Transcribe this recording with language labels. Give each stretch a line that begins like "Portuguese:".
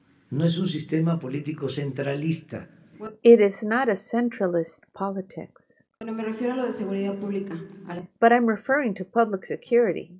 Spanish: No es un sistema político centralista.
English: It is not a centralist politics.
Spanish: Bueno, me refiero a lo de seguridad pública.
English: But I'm referring to public security.